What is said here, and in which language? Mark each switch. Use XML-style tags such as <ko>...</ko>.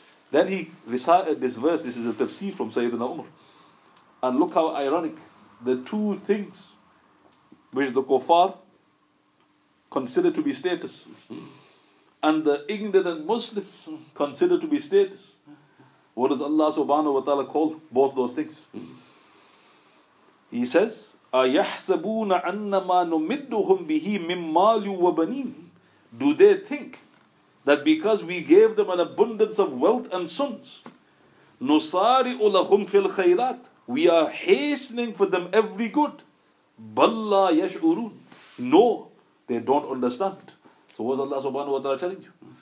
<en>Then he recited this verse. This is a tafsir from Sayyidina Umar. And look how ironic. The two things which the kuffar consider to be status, and the ignorant Muslims consider to be status. What does Allah subhanahu wa ta'ala call both those things? He says,</en> <ar>أَيَحْسَبُونَ أَنَّمَا نُمِدُّهُمْ بِهِ مِنْ مَالٍ وَبَنِينَ.</ar> <en>Do they think that because we gave them an abundance of wealth and sons,</en> <ar>نُصَارِعُ لَهُمْ فِي الْخَيْرَاتِ,</ar> <en>we are hastening for them every good?</en> <ar>بَلَّا يَشْعُرُونَ.</ar> <en>No, they don't understand. So what is Allah subhanahu wa ta'ala telling you?</en>